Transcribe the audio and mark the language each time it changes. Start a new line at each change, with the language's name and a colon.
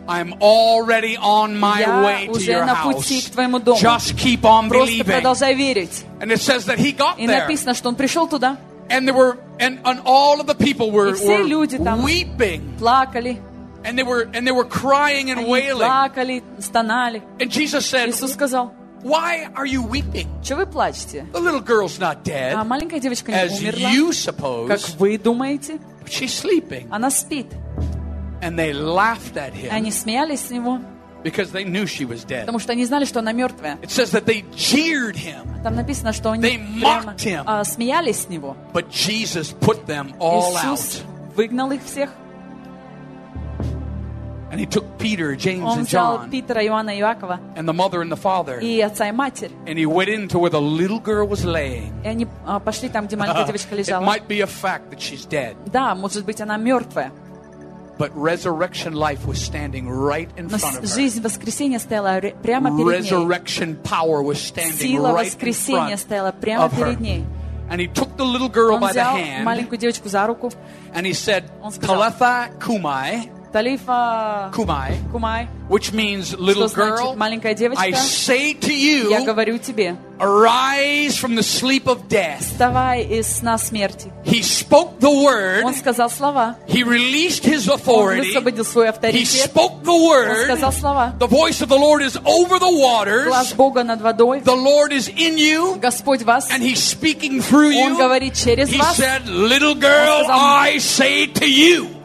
English: I'm already on my way to your house.
Russian: Я уже на пути к твоему дому.
English: Just keep on believing.
Russian: Просто продолжай верить.
English: And it says that he got there.
Russian: И написано, что он пришел туда.
English: And there were and all of the people were weeping.
Russian: И все люди там
English: weeping.
Russian: Плакали.
English: And they were crying and wailing.
Russian: Плакали, стонали.
English: And Jesus said,
Russian: Иисус сказал,
English: "Why are you weeping?
Russian: Че вы плачете?
English: The little girl's not dead.
Russian: А маленькая девочка не
English: as
Russian: умерла.
English: As you suppose.
Russian: Как вы думаете?
English: She's sleeping.
Russian: Она спит.
English: And they laughed at him.
Russian: Они смеялись с него.
English: Because they knew she was dead.
Russian: Потому что они знали, что она мертвая.
English: It says that they jeered him.
Russian: Там написано, что они
English: they mocked him.
Russian: Смеялись с него.
English: But Jesus put them all
Russian: Иисус
English: out.
Russian: Выгнал их всех.
English: And he took Peter, James,
Russian: Он
English: and John.
Russian: Петра, Иоанна, Иакова,
English: and the mother and the father.
Russian: И отца и матерь.
English: And he went into where the little girl was laying.
Russian: И они пошли там, где маленькая девочка лежала.
English: It might be a fact that she's dead.
Russian: Да, может быть, она мертвая.
English: But resurrection life was standing right in front of her.
Russian: Но жизнь воскресения стояла прямо перед ней.
English: Resurrection power was standing
Russian: Сила
English: right
Russian: воскресения
English: in front
Russian: стояла прямо
English: of
Russian: перед
English: her.
Russian: Ней.
English: And he took the little girl
Russian: Он
English: by the hand.
Russian: Взял маленькую девочку за руку.
English: And he said,
Russian: Он сказал,
Aramaic: "Talitha kumai." Талифа кумай, кумай,
English: which means little girl,
Russian: маленькая девочка.
English: I say to you,
Russian: я говорю тебе,
English: arise from the sleep of death.
Russian: Вставай из сна смерти.
English: He spoke the word.
Russian: Он сказал слова.
English: He released his authority.
Russian: Он высвободил свой авторитет.
English: He spoke the word.
Russian: Он сказал слова.
English: The voice of the Lord is over the waters.
Russian: Глас Бога над водой.
English: The Lord is in you.
Russian: Господь вас.
English: And he's speaking through you.
Russian: Он говорит через вас.
English: He said, little girl, I say to you.